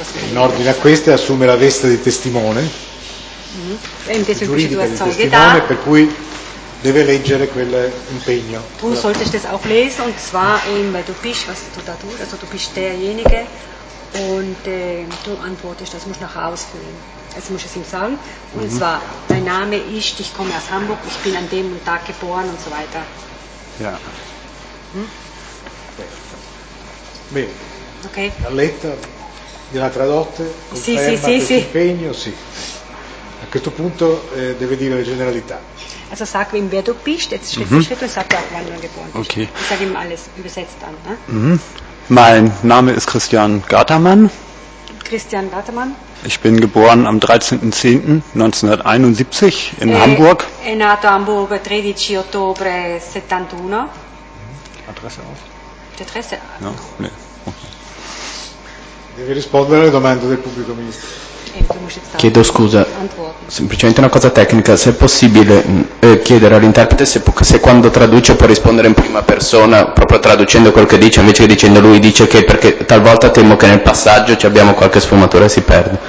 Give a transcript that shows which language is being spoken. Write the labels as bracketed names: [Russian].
[Italian] In ordine a queste assume la veste di testimone, giuridica di testimone, per cui deve leggere quell'impegno. [German] Tu solltest das auch lesen, und zwar eben, weil du bist, was du da tust, also du bist derjenige, und du antwortest, das musst du nachher ausfüllen. Also musst du es ihm sagen, und zwar, dein Name ist, ich komme aus Hamburg, ich bin an dem Tag geboren, und so weiter. Ja. [Italian] Bene, okay. La lettera gliela tradotte, conferma sì, sì, l'impegno, sì, sì. A questo punto deve dire le generalità. [German] Also sag ihm wer du bist, jetzt Schritt für Schritt, und sag auch wann du geboren bist. Okay. Ich sag ihm alles übersetzt dann. Ne? Mein Name ist Christian Gatterman. Christian Gatterman. Ich bin geboren am 13.10.1971 in Hamburg. [Italian] È nato a Hamburgo 13 ottobre 71. [German] Adresse auf. [Italian] Deve rispondere alle domande del pubblico ministro. Chiedo scusa, semplicemente una cosa tecnica, se è possibile chiedere all'interprete se quando traduce può rispondere in prima persona, proprio traducendo quello che dice, invece che dicendo lui dice che, perché talvolta temo che nel passaggio ci abbiamo qualche sfumatura e si perde.